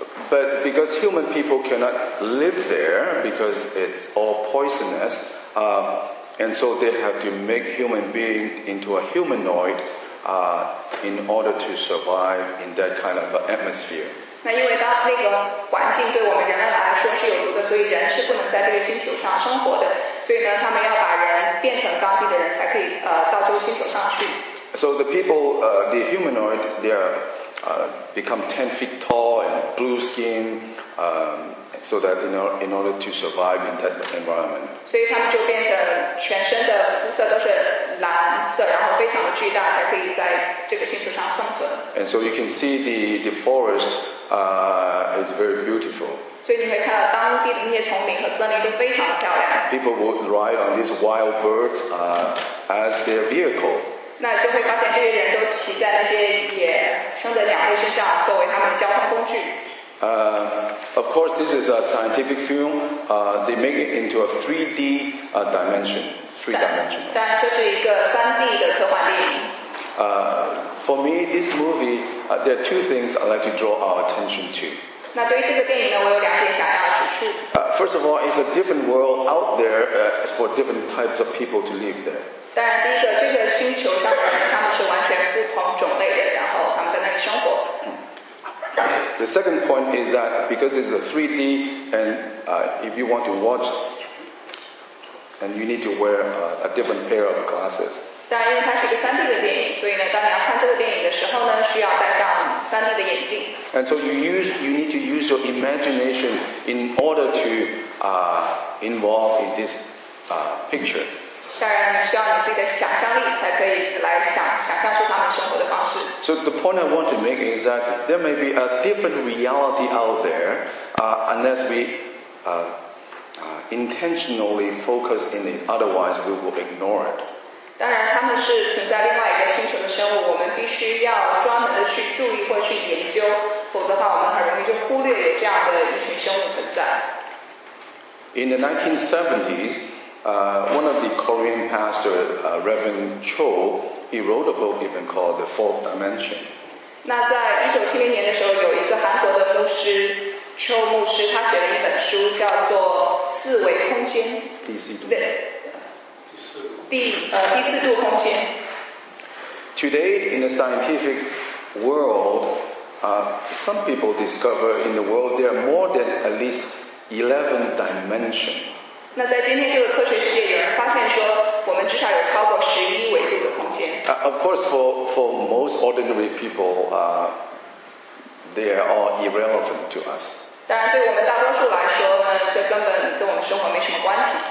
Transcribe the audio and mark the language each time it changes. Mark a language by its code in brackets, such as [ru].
[en] But because human people cannot live there because it's all poisonous, and so they have to make human being into a humanoid, in order to survive in that kind of atmosphere. [zh] 那因为当那个环境对我们人类来说是有毒的，所以人是不能在这个星球上生活的。所以呢，他们要把人变成当地的人才可以到这个星球上去。 [en] So the people, the humanoid, they are, become 10 feet tall and blue skin, so that in order to survive in that environment. [zh] 所以他们就变成全身的肤色都是蓝色，然后非常的巨大，才可以在这个星球上生存。 [en] And so you can see the forest, is very beautiful. [zh] 所以你会看到当地的那些丛林和森林都非常的漂亮。 [en] People would ride on these wild birds, as their vehicle. [zh] 那就会发现这些人都骑在那些野生的鸟类身上作为他们的交通工具。 [en] Of course, this is a scientific film. They make it into a 3D dimension. 3D dimension. [zh] 当然这是一个 3D 的科幻电影。 [en] For me, this movie, there are two things I'd like to draw our attention to. [zh] 那对于这个电影呢，我有两点想要指出。 [en] First of all, it's a different world out there, for different types of people to live there. [zh] 当然，第一个，这个星球上的人他们是完全不同种类的，然后他们在那里生活。 [en] The second point is that because it's a 3D, and if you want to watch, and you need to wear a different pair of glasses. [zh] 当然，因为它是一个 3D 的电影，所以呢，当你要看这个电影的时候呢，需要戴上 3D 的眼镜。 [en] And so you need to use your imagination in order to involve in this picture. [zh] 当然，你需要你自己的想象力才可以来想象出他们生活的方式。 [en] So the point I want to make is that there may be a different reality out there, unless we intentionally focus in it. Otherwise, we will ignore it. [zh] 当然，他们是存在另外一个星球的生物，我们必须要专门的去注意或去研究，否则的话，我们很容易就忽略这样的一群生物存在。 [en] In the 1970s. One of the Korean pastors, Reverend Cho, he wrote a book even called The Fourth Dimension. [zh] 那在1970年的时候，有一个韩国的牧师 Cho 牧师，他写了一本书，叫做《四维空间》。第四度。对。第四度空间。 [en] Today, in the scientific world, some people discover in the world there are more than at least 11 dimensions. [zh] 那在今天这个科学世界，有人发现说，我们至少有超过十一维度的空间。 [en] Of course, for most ordinary people, they are all irrelevant to us. [zh] 当然，对我们大多数来说呢，这根本跟我们生活没什么关系。